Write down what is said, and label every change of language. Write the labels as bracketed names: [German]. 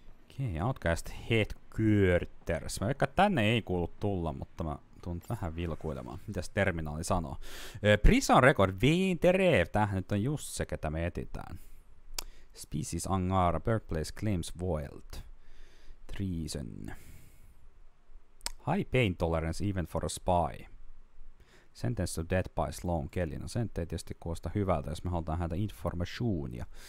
[English] Okei, Outcast Headquarters. [Finnish] Mä veikkaan, tänne ei kuulu tulla, mutta mä tuun vähän vilkuilemaan. Mitäs terminaali sanoo? Prison Record, Vinterev. Tämähän nyt on just se, ketä me etitään. [English] Species Angara, Birthplace Claims Void. Treason. High Pain Tolerance Even for a Spy. Sentence to Death by Sloan Kelly. [Finnish] No sen ei tietysti kuulosta hyvältä, jos me halutaan häntä informationia.